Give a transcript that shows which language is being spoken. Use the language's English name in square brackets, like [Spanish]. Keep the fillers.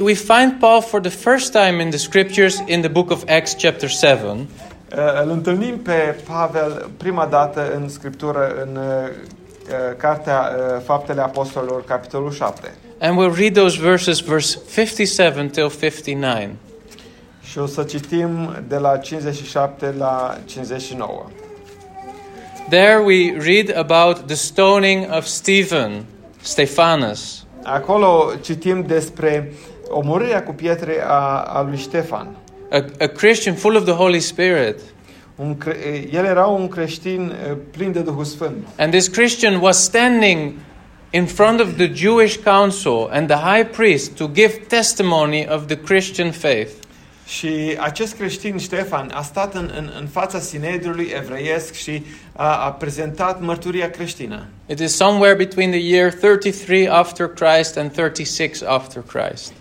[English] we find Paul for the first time in the scriptures in the book of Acts chapter 7. [Romanian] Uh, pe Pavel prima dată în scriptură în uh, uh, cartea, uh Faptele Apostolilor capitolul 7. [English] And we we'll read those verses verse 57 till 59. [Romanian] Și o să citim de la 57 la 59. [English] There we read about the stoning of Stephen. Stefanus. [Romanian] Acolo citim despre omorirea cu pietre a, a lui Ștefan. [English] A, a Christian full of the Holy Spirit. [Romanian] Un un creștin plin de Duhul [English] And this Christian was standing in front of the Jewish council and the high priest to give testimony of the Christian faith. [Romanian] Și acest creștin Ștefan a stat în, în, în fața sinedrului evreiesc și a, a prezentat mărturia creștină. [English] It is somewhere between the year 33 after Christ and 36 after Christ.